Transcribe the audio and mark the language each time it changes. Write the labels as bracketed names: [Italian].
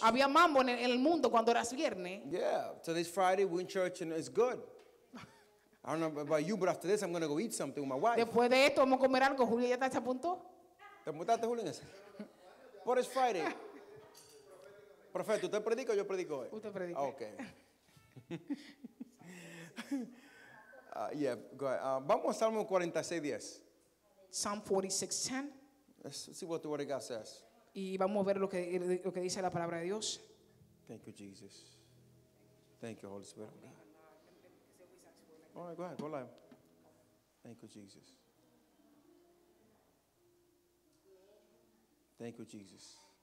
[Spanish] Había mambo en el mundo cuando era viernes. [English] Yeah, so this Friday we're in church and it's good. I don't know about you, but after this I'm going to go eat something with my wife. [Spanish] Después de esto vamos a comer algo. Julio ya está a punto. ¿Te mutaste, Julio? [English] But it's Friday. [Spanish] Perfecto. ¿Usted predica o yo predico hoy? Usted predica. [English] Okay. yeah, go ahead. [Spanish] Vamos a Salmo 46:10. [English] Psalm 46:10. Let's see what the word of God says. [Spanish] Y vamos a ver lo que dice la palabra de Dios. [English] Thank you, Jesus. Thank you, Holy Spirit of God. All right, go ahead, go live. Thank you, Jesus. Thank you, Jesus.